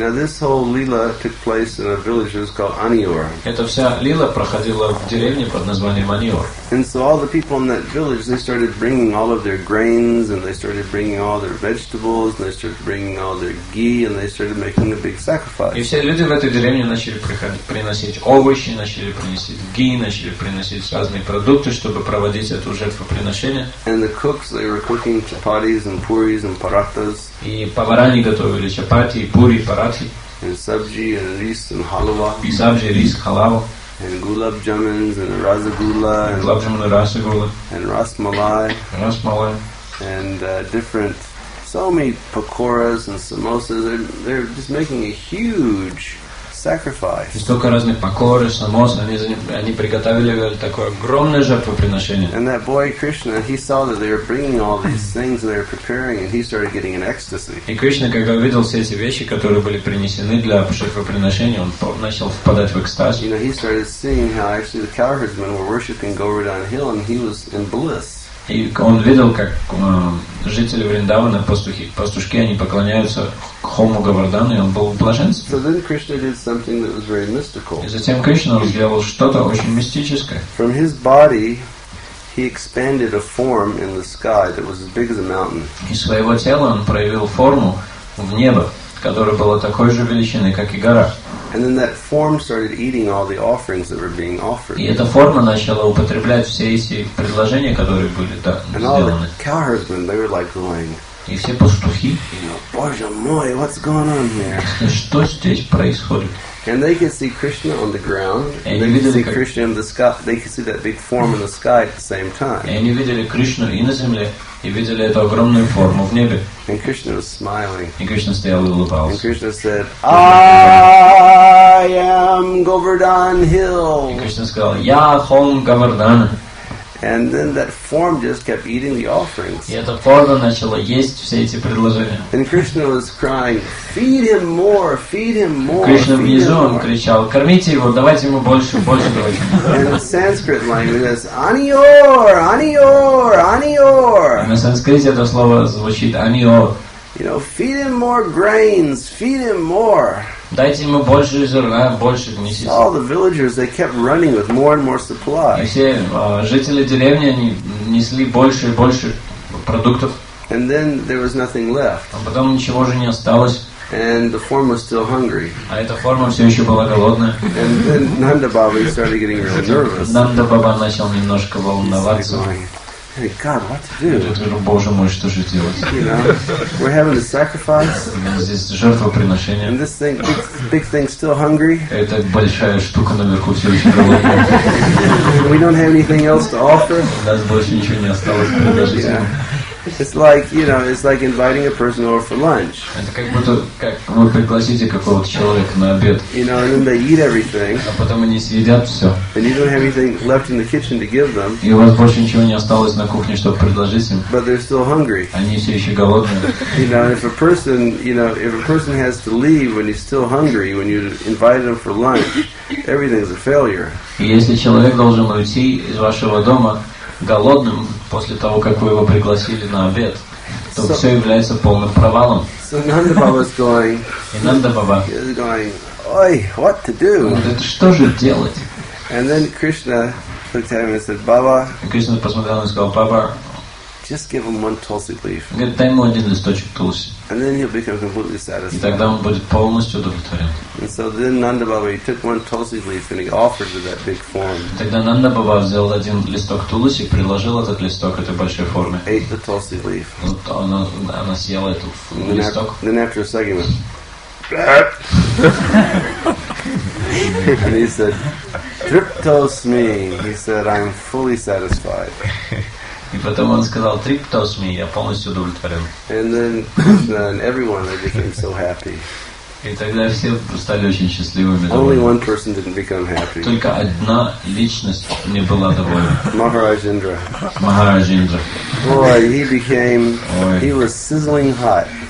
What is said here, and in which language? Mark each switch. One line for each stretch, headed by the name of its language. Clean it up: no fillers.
English: Now this whole lila took place in a village that was called Aniur.
Russian: Эта вся лила проходила в деревне под названием Аниур.
English: And so all the people in that village, they started bringing all of their grains, and they started bringing all their vegetables, and they started bringing all their ghee, and they started making a big sacrifice.
Russian: И все люди в этой деревне начали приносить овощи, начали приносить ghee, начали приносить разные продукты, чтобы проводить эту жертвоприношение.
English: And the cooks, they were cooking chapatis and puris and parathas.
Russian: И повара не готовили чапати, пури, паратхи.
English: And sabji and rice and halwa.
Russian: И сабжи, рис, халава.
English: And gulab jamuns and rasagula and gulab jamun and rasagula and rasmalai and different so many pakoras and samosas. They're just making a huge sacrifice.
Russian: Столько разных пакор, самос, они приготовили такое огромное жертвоприношение.
English: And that boy Krishna, he saw that they were bringing all these things they were preparing, and he started getting an ecstasy.
Russian: И Кришна, когда увидел все эти вещи, которые были принесены для жертвоприношения, он начал впадать в экстаз.
English: You know, he started seeing how actually the cowherdsmen were worshiping Govardhan Hill, and he was in bliss.
Russian: И он видел, как жители Вриндавана, пастушки, они поклоняются холму Говардхана, и он был в блаженстве.
English: So then Krishna did something that was very mystical.
Russian: И затем Кришна сделал что-то очень мистическое.
English: From his body, he expanded a form in the sky that was as big as a mountain.
Russian: Из своего тела он проявил форму в небо, которая была такой же величины, как и гора.
English: And then that form started eating all the offerings that were being offered.
Russian: И эта форма начала употреблять все эти предложения, которые были сделаны.
English: And all the cowherdsmen, they were like going,
Russian: и все пастухи,
English: you know,
Russian: Боже мой,
English: what's going on here?
Russian: Что здесь происходит?
English: And they could see Krishna on the ground, and they could see Krishna in the sky. They could see that big form in the sky at the same time.
Russian: И они видели Кришну и на земле, и видели эту огромную форму в небе.
English: And Krishna was smiling.
Russian: И Кришна стоял и улыбался.
English: And Krishna said, "I am Govardhan Hill."
Russian: И Кришна сказал, "Я холм Говардхана."
English: And then that form just kept eating the offerings.
Russian: И эта форма начала есть все эти предложения.
English: And Krishna was crying, "Feed him more, feed him more."
Russian: Кришна внизу, он кричал, "Кормите его, давайте ему больше, больше, больше."
English: And in Sanskrit language,
Sanskrit: "Aniyor, Aniyor, Aniyor."
Russian: На санскрите это слово звучит Аниор.
English: You know, feed him more grains, feed him more.
Russian: Дайте ему больше зерна, больше внесите.
English: All the villagers, they kept running with more and more supply.
Russian: И все жители деревни, они несли больше и больше продуктов.
English: And then there was nothing left.
Russian: А потом ничего уже не осталось.
English: And the form was still hungry.
Russian: А эта форма все еще была голодная.
English: And then Nanda Baba started getting really nervous.
Russian: Нанда Баба начал немножко волноваться.
English: Hey God, what to do?
Russian: Боже мой, что же делать?
English: We're having a sacrifice.
Russian: Здесь жертвоприношение.
English: And this thing, big thing, still hungry.
Russian: Эта большая штука наверху все еще голодная.
English: We don't have anything else to offer.
Russian: У нас больше ничего не осталось предложить.
English: It's like, you know, it's like inviting a person over for lunch.
Russian: Это как будто как вы пригласите какого-то человека на обед.
English: You know, and then they eat everything.
Russian: А потом они съедят все.
English: And you don't have anything left in the kitchen to give them.
Russian: И у вас больше ничего не осталось на кухне, чтобы предложить им.
English: But they're still hungry.
Russian: Они все еще голодные.
English: You know, if a person, you know, if a person has to leave when he's still hungry, when you invited him for lunch, everything's a failure.
Russian: И если человек должен уйти из вашего дома голодным после того, как вы его пригласили на обед, то
English: so,
Russian: все является полным провалом.
English: Нанда Баба is going.
Russian: Нанда Баба.
English: He is going. Ой, what to do?
Russian: Говорит, что же делать?
English: And then Krishna looked at him and said, Baba.
Russian: Кришна посмотрел на него и сказал, Баба.
English: Just give him one tulsi leaf.
Russian: Говорит, дай ему один листочек тулси.
English: And then he'll become completely satisfied.
Russian: И тогда он будет полностью удовлетворен.
English: And so then Nanda Baba, he took one tulsi leaf and he offered to that big form.
Russian: Тогда Нанда Баба взял один листок тулси и приложил этот листок этой большой форме.
English: Ate the tulsi leaf.
Russian: Вот она съела эту листок.
English: Then after a second, blah. And he said, "Triptosmi." He said, "I'm fully satisfied."
Russian: И потом он сказал, "Триптос ми, я полностью удовлетворен."
English: And then everyone became so happy.
Russian: И тогда все стали очень счастливыми.
English: Only one person didn't become happy.
Russian: Только одна личность не была довольна.
English: Maharaj Indra. Maharaj Indra. Boy, he became, he was sizzling hot.